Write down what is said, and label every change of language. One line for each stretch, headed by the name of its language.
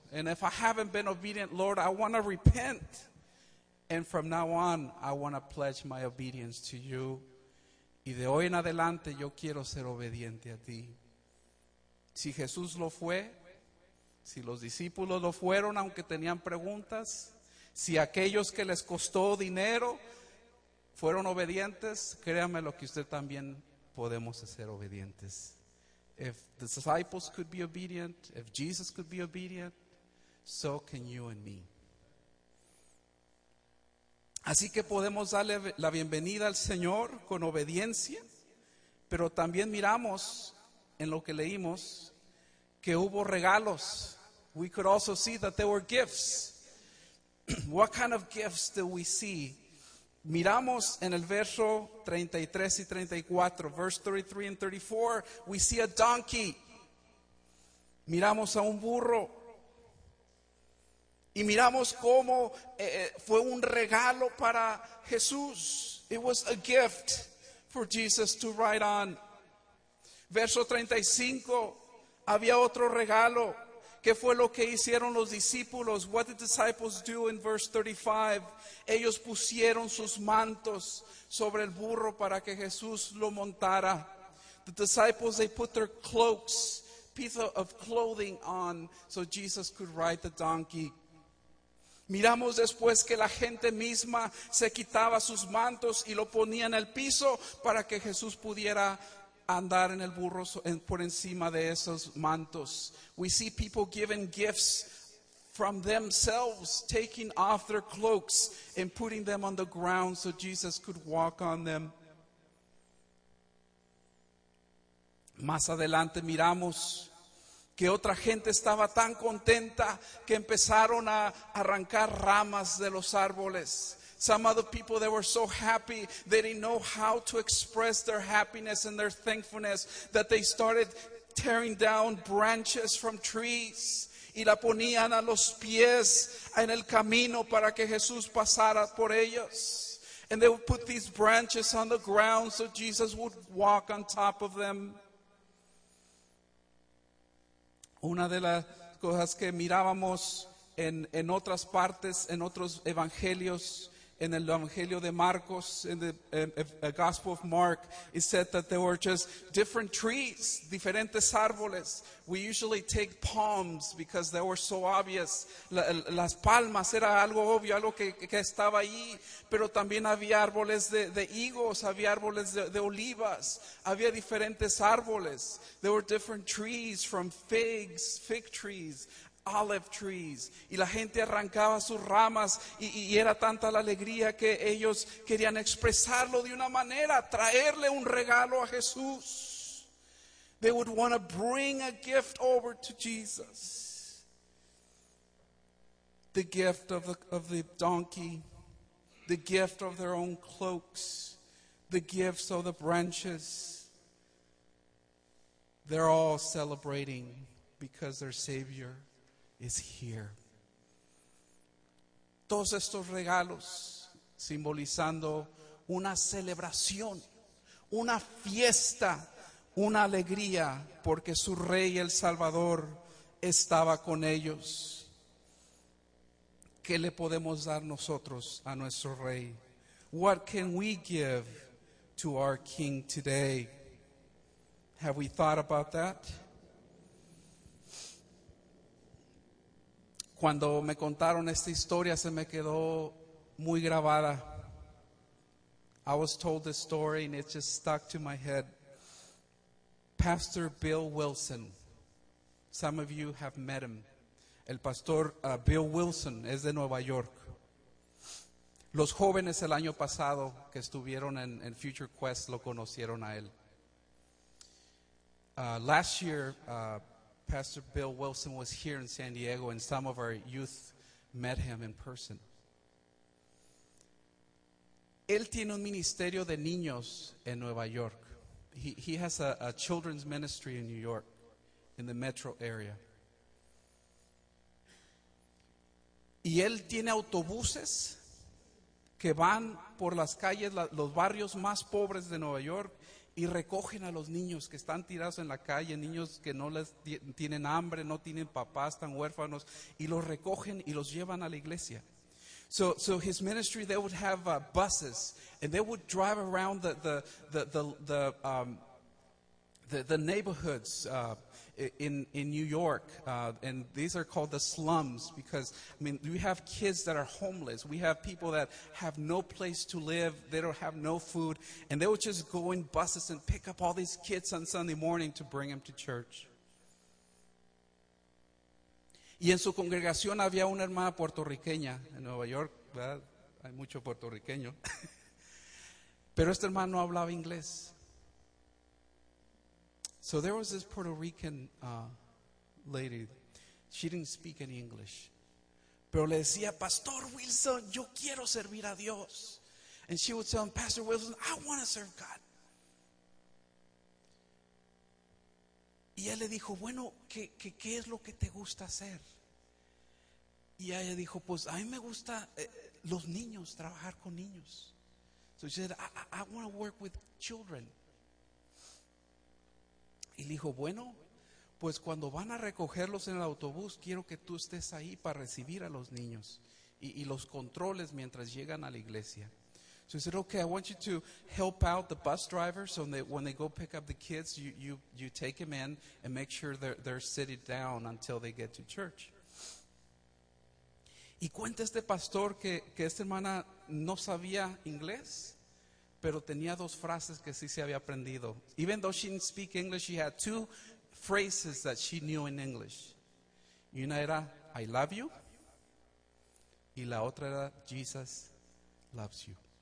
English: And if I haven't been obedient, Lord, I want to repent. And from now on, I want to pledge my obedience to you.
Spanish: Y de hoy en adelante, yo quiero ser obediente a ti. Si Jesús lo fue, si los discípulos lo fueron, aunque tenían preguntas, si aquellos que les costó dinero fueron obedientes, créanme lo que usted también podemos ser obedientes.
English: If the disciples could be obedient, if Jesus could be obedient, so can you and me.
Spanish: Así que podemos darle la bienvenida al Señor con obediencia, pero también miramos en lo que leímos que hubo regalos.
English: We could also see that there were gifts. What kind of gifts do we see?
Spanish: Miramos en el verso 33 y 34,
English: verse 33 and 34, we see a donkey.
Spanish: Miramos a un burro. Y miramos cómo fue un regalo para Jesús.
English: It was a gift for Jesus to ride on.
Spanish: Verso 35, había otro regalo. ¿Qué fue lo que hicieron los discípulos?
English: What did the disciples do in verse 35?
Spanish: Ellos pusieron sus mantos sobre el burro para que Jesús lo montara.
English: The disciples, they put their cloaks, piece of clothing on, so Jesus could ride the donkey.
Spanish: Miramos después que la gente misma se quitaba sus mantos y lo ponía en el piso para que Jesús pudiera andar en el burro por encima de esos mantos.
English: We see people giving gifts from themselves, taking off their cloaks and putting them on the ground so Jesus could walk on them.
Spanish: Más adelante miramos que otra gente estaba tan contenta que empezaron a arrancar ramas de los árboles.
English: Some other people, they were so happy, they didn't know how to express their happiness and their thankfulness, that they started tearing down branches from trees
Spanish: y la ponían a los pies en el camino para que Jesús pasara por ellos.
English: And they would put these branches on the ground so Jesus would walk on top of them.
Spanish: Una de las cosas que mirábamos en otras partes, en otros evangelios, en el evangelio de Marcos, en
English: the Gospel of Mark, it said that there were just different trees,
Spanish: diferentes árboles.
English: We usually take palms because they were so obvious.
Spanish: Las palmas era algo obvio, algo que estaba ahí. Pero también había árboles de higos, había árboles de olivas, había diferentes árboles.
English: There were different trees, from figs, fig trees, olive trees.
Spanish: Y la gente arrancaba sus ramas y era tanta la alegría que ellos querían expresarlo de una manera, traerle un regalo a Jesús.
English: They would want to bring a gift over to Jesus. The gift of the donkey, the gift of their own cloaks, the gifts of the branches. They're all celebrating because their Savior is here.
Spanish: Todos estos regalos simbolizando una celebración, una fiesta, una alegría, porque su Rey, el Salvador, estaba con ellos. ¿Qué le podemos dar nosotros a nuestro Rey?
English: What can we give to our King today? Have we thought about that?
Spanish: Cuando me contaron esta historia, se me quedó muy grabada.
English: I was told this story and it just stuck to my head. Pastor Bill Wilson. Some of you have met him.
Spanish: El pastor Bill Wilson es de Nueva York. Los jóvenes el año pasado que estuvieron en Future Quest lo conocieron a él.
English: Last year, Pastor Bill Wilson was here in San Diego and some of our youth met him in person.
Spanish: Él tiene un ministerio de niños en Nueva York.
English: He has a children's ministry in New York, in the metro area.
Spanish: Y él tiene autobuses que van por las calles, los barrios más pobres de Nueva York, y recogen a los niños que están tirados en la calle, niños que no les tienen hambre, no tienen papás, están huérfanos, y los recogen y los llevan a la iglesia.
English: So his ministry, they would have buses, and they would drive around the neighborhoods in New York, and these are called the slums, because I mean we have kids that are homeless, we have people that have no place to live, they don't have no food, and they would just go in buses and pick up all these kids on Sunday morning to bring them to church.
Spanish: Y en su congregación había una hermana puertorriqueña en Nueva York, ¿verdad? Hay mucho puertorriqueño. Pero esta hermana no hablaba inglés.
English: So there was this Puerto Rican lady. She didn't speak any English.
Spanish: Pero le decía, Pastor Wilson, yo quiero servir a Dios.
English: And she would tell him, Pastor Wilson, I want to serve God.
Spanish: Y él le dijo, bueno, ¿qué es lo que te gusta hacer? Y ella dijo, pues a mí me gusta los niños, trabajar con niños.
English: So she said, I want to work with children.
Spanish: Y le dijo, bueno, pues cuando van a recogerlos en el autobús, quiero que tú estés ahí para recibir a los niños y los controles mientras llegan a la iglesia.
English: So he said, okay, I want you to help out the bus drivers so that when they go pick up the kids, you take them in and make sure they're sitting down until they get to church.
Spanish: Y cuenta este pastor que esta hermana no sabía inglés, pero tenía dos frases que sí se había aprendido.
English: Even though she didn't speak English, she had two phrases that she knew in English.
Spanish: Y una era,
English: I love you.
Spanish: Y la otra era,
English: Jesus loves you.